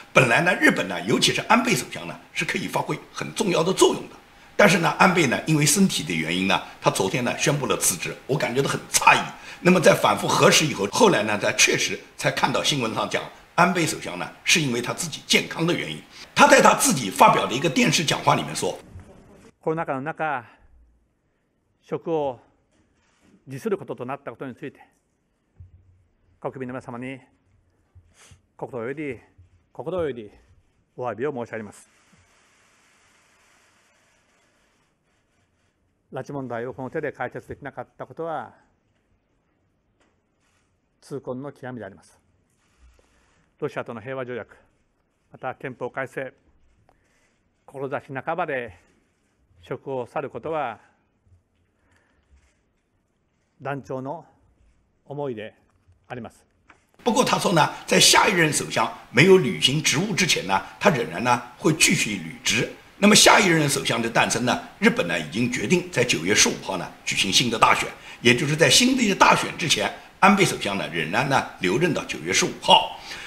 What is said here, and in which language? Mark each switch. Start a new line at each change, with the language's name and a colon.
Chinese: 本来呢日本呢，尤其是安倍首相呢，是可以发挥很重要的作用的。但是呢安倍呢因为身体的原因呢，他昨天呢宣布了辞职，我感觉到很诧异。那么在反复核实以后，后来呢在确实才看到新闻上讲，安倍首相呢是因为他自己健康的原因。他在他自己发表的一个电视讲话里面说，
Japanese: コロナ禍の中、職を辞することとなったことについて、国民の皆様に心よりお詫びを申し上げます。拉致問題をこの手で解決できなかったことは、痛恨の極みであります。ロシアとの平和条約、また憲法改正、志半ばで職を去ることは団長の思いであります。
Chinese: 不过他说呢，在下一任首相没有履行职务之前呢，他仍然呢会继续履职。那么下一任首相的诞生呢，日本呢已经决定在9月15号呢举行新的大选，也就是在新的大选之前，安倍首相呢仍然呢留任到9月15号。